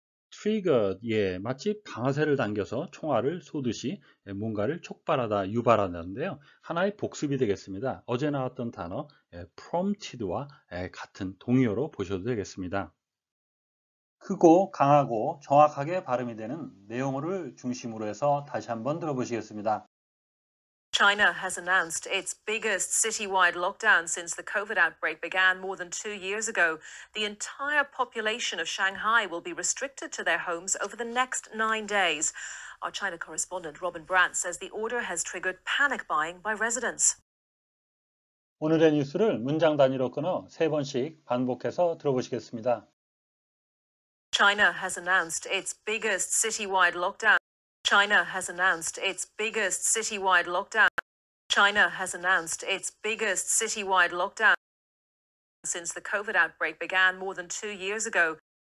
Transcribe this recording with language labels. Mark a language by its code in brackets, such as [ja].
[ko] Trigger, 예, 마치 방아쇠를 당겨서 총알을 쏘듯이 뭔가를 촉발하다, 유발한다는데요. 하나의 복습이 되겠습니다. 어제 나왔던 단어, prompted와 같은 동의어로 보셔도 되겠습니다. 크고 강하고 정확하게 발음이 되는 내용어를 중심으로 해서 다시 한번 들어보시겠습니다. [en] China has announced its biggest citywide lockdown since the COVID outbreak began more than 2 years ago. The entire population of Shanghai will be restricted to their homes over the next 9 days. Our China correspondent Robin Brandt says the order has triggered panic buying by residents. [ko] 오늘의 뉴스를 문장 단위로 끊어 세 번씩 반복해서 들어보시겠습니다. [en] China has announced its biggest citywide lockdown. China has announced its biggest citywide lockdown. China has announced its biggest citywide lockdown since the COVID outbreak began more than 2 years ago.